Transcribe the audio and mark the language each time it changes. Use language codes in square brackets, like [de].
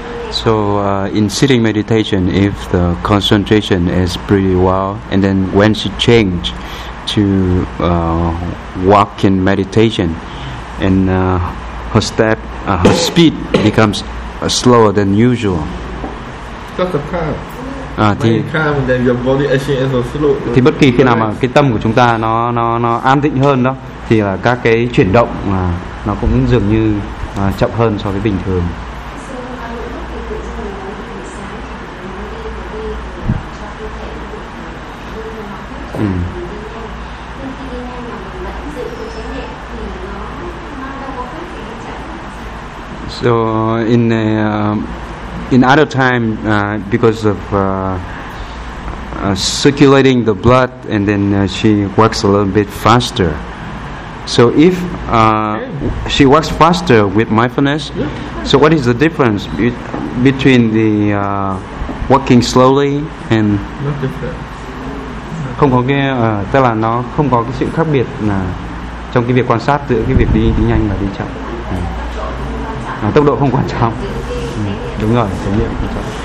[en] So in sitting meditation, if the concentration is pretty well, and then when she changed to walk in meditation, and her step, her speed becomes slower than usual. Just a calm. [vi] Thì [en] calm, then your body actually is slow. [vi] Thì bất kỳ khi nào mà cái tâm của chúng ta nó an tĩnh hơn đó, thì là các cái chuyển động nó cũng dường như chậm hơn so với bình thường. [en] So in other time, because of circulating the blood, and then she works a little bit faster. So if she works faster with mindfulness, so what is the difference between the walking slowly and? [vi] Không có cái tức là nó không có cái sự khác biệt là trong cái việc quan sát giữa cái việc đi nhanh và đi chậm. Tốc độ không quan trọng. Đúng rồi, khái niệm quan trọng.